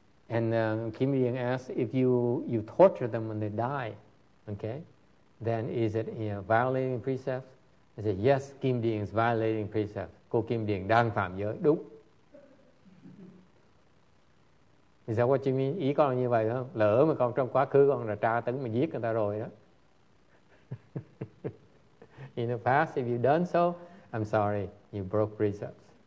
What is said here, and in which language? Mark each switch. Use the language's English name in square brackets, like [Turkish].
[English] And Kim Yen asks, if you torture them when they die, okay, then is it violating precepts? I said, yes, Kim Yen is violating precepts. [Vietnamese] Cô Kim Yen đang phạm giới, đúng. [English] Is that what you mean? [Vietnamese] Ý con là như vậy không? Lỡ mà con trong quá khứ con đã tra tấn mà giết người ta rồi đó. [English] In the past, if you've done so, I'm sorry, you broke precepts.